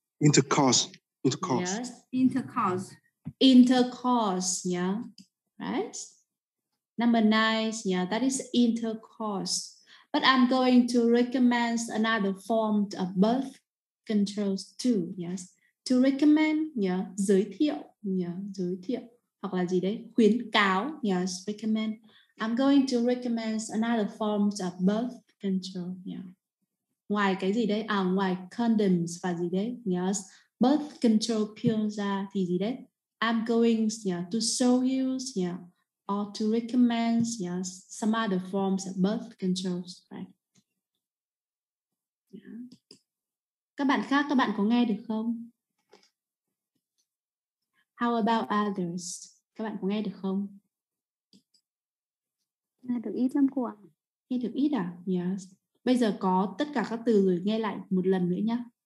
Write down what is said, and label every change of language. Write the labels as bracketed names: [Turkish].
[English] Intercourse, yeah. Right? Number 9, yeah, that is intercourse. But I'm going to recommend another form of birth controls too, yes. To recommend, yeah, [Vietnamese] giới thiệu. Hoặc là gì đấy? Khuyến cáo, yes, recommend. [English] I'm going to recommend another form of birth control. [Vietnamese] Yeah. Ngoài cái gì đấy? À, ngoài condoms và gì đấy? Yes. Birth control pills ra thì gì đấy? [English] I'm going to show you or to recommend some other forms of birth controls. Right. Yeah. [Vietnamese] Các bạn khác, các bạn có nghe được không? [English] How about others? [Vietnamese] Các bạn có nghe được không? Nghe được ít lắm cô ạ. Nghe được ít à? Yes. Bây giờ có tất cả các từ rồi, nghe lại một lần nữa nhé.